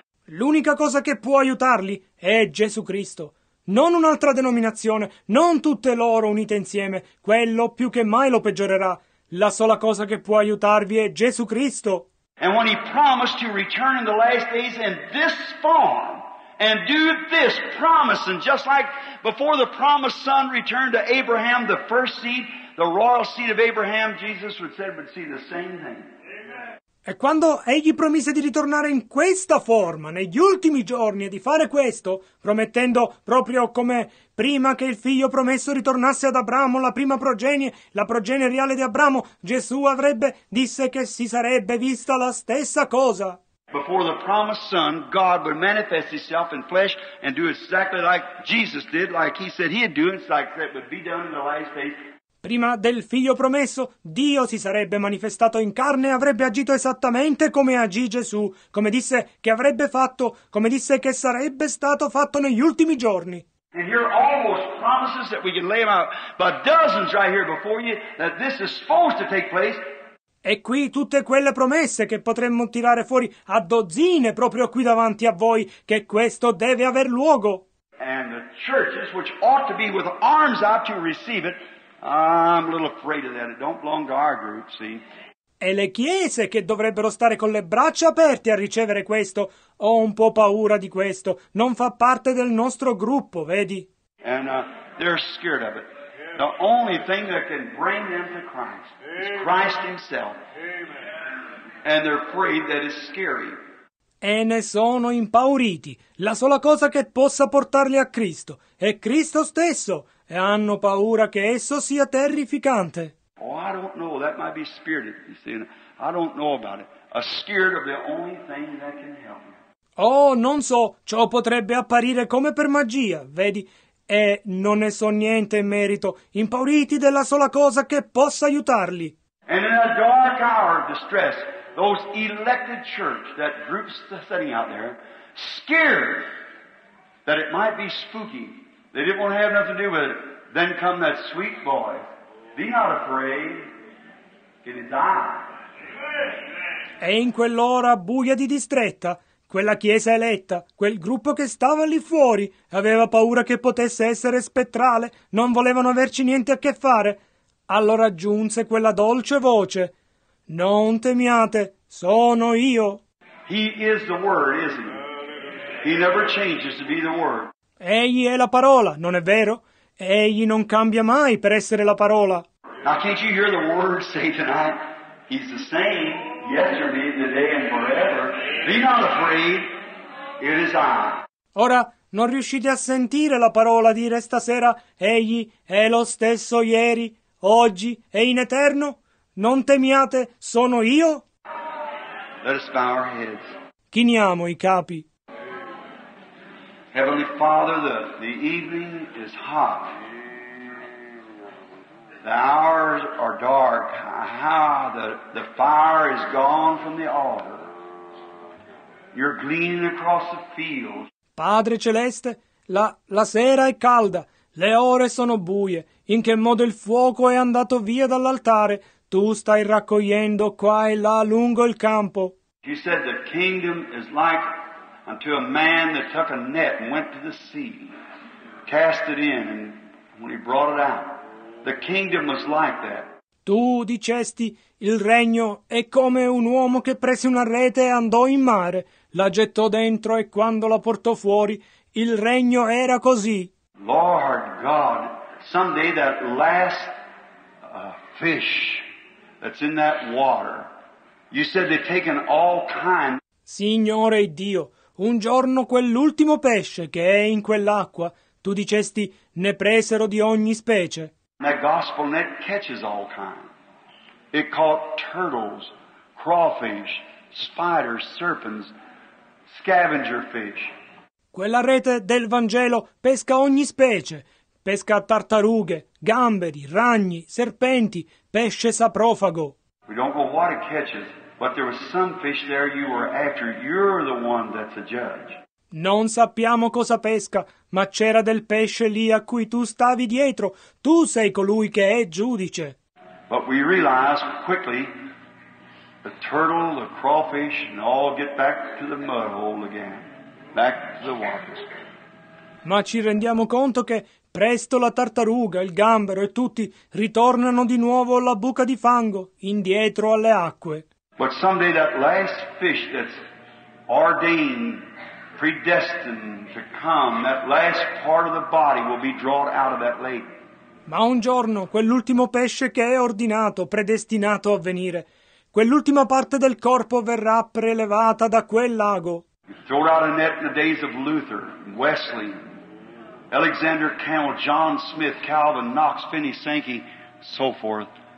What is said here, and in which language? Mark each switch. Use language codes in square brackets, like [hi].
[it] L'unica cosa che può aiutarli è Gesù Cristo. Non un'altra denominazione, non tutte loro unite insieme, quello più che mai lo peggiorerà. La sola cosa che può aiutarvi è Gesù Cristo. [en] And when he promised to return in the last days in this form and do this promise, and just like before the promised son returned to Abraham, the first seed, the royal seed of Abraham, Jesus would say would see the same thing. [it] E quando egli promise di ritornare in questa forma, negli ultimi giorni, e di fare questo, promettendo proprio come prima che il figlio promesso ritornasse ad Abramo, la prima progenie, la progenie reale di Abramo, Gesù avrebbe, disse che si sarebbe vista la stessa cosa. [en] Before the promised son, God would manifest himself in flesh and do exactly like Jesus did, like he said he'd do, it's like that would be done in the last days. [it] Prima del figlio promesso, Dio si sarebbe manifestato in carne e avrebbe agito esattamente come agì Gesù, come disse che avrebbe fatto, come disse che sarebbe stato fatto negli ultimi giorni. [en] And here are almost promises that we can lay them out by dozens right here before you that this is supposed to take place. [it] E qui tutte quelle promesse che potremmo tirare fuori a dozzine proprio qui davanti a voi, che questo deve aver luogo. [en] And the churches which ought to be with arms out to receive it. I'm a little afraid of that. It don't belong to our group, see. [it] E le chiese che dovrebbero stare con le braccia aperte a ricevere questo, ho un po' paura di questo. Non fa parte del nostro gruppo, vedi? [en] And they're scared of it. The only thing that can bring them to Christ is Christ himself. Amen. And they're afraid that it's scary. [it] E ne sono impauriti. La sola cosa che possa portarli a Cristo è Cristo stesso. E hanno paura che esso sia terrificante. [en] Oh, I don't know. That might be spirited, you see. I don't know about it. A scared of the only thing that can help me. [it] Oh, non so. Ciò potrebbe apparire come per magia, vedi? E non ne so niente in merito. Impauriti della sola cosa che possa aiutarli. [en] And in a dark hour of distress, those elected church, that group sitting out there, scared that it might be spooky, they didn't want to have nothing to do with it, then come that sweet boy, be not afraid, get his eye. [it] E in quell'ora buia di distretta, quella chiesa eletta, quel gruppo che stava lì fuori, aveva paura che potesse essere spettrale, non volevano averci niente a che fare. Allora giunse quella dolce voce: non temiate, sono io. [en] He is the Word, isn't he? He never changes to be the Word. [it] Egli è la parola, non è vero? Egli non cambia mai per essere la parola. [en] Now can't you hear the Word say tonight? He's the same. Yesterday, today, and forever. Be not afraid. It is I. [it] Ora, non riuscite a sentire la parola dire stasera: egli è lo stesso ieri, oggi e in eterno? Non temiate, sono io? [en] Let us bow our heads. [it] Chiniamo i capi. [en] Heavenly Father, the evening is hot. The hours are dark. The fire is gone from the altar. You're gleaning across the field. [it] Padre Celeste, la sera è calda. Le ore sono buie. In che modo il fuoco è andato via dall'altare? Tu stai raccogliendo qua e là lungo il campo. [en] He said the kingdom is like unto a man that took a net and went to the sea, cast it in, and when he brought it out. The kingdom was like that. [it] Tu dicesti, il regno è come un uomo che prese una rete e andò in mare, la gettò dentro e quando la portò fuori, il regno era così. [en] Lord God, someday that last fish that's in that water, you said they've taken all kinds. [it] Signore Dio, un giorno quell'ultimo pesce che è in quell'acqua, tu dicesti, ne presero di ogni specie. [en] That gospel net catches all kinds. It caught turtles, crawfish, spiders, serpents, scavenger fish. [it] Quella rete del Vangelo pesca ogni specie. Pesca tartarughe, gamberi, ragni, serpenti, pesce saprofago. [en] We don't know what it catches, but there was some fish there you were after. You're the one that's a judge. [it] Non sappiamo cosa pesca, ma c'era del pesce lì a cui tu stavi dietro. Tu sei colui che è giudice. [en] But we realize quickly the turtle, the crawfish, and all get back to the mud hole again. Back to the waters. [it] Ma ci rendiamo conto che presto la tartaruga, il gambero e tutti ritornano di nuovo alla buca di fango, indietro alle acque. [en] But someday that last fish that's ordained, predestined to come, that last part of the body will be drawn out of that lake. [it] Ma un giorno, quell'ultimo pesce che è ordinato, predestinato a venire, quell'ultima parte del corpo verrà prelevata da quel lago. [en] You throw out a net in the days of Luther, Wesley, Alexander Campbell, John Smith, Calvin, Knox, Finney, Sankey, so forth.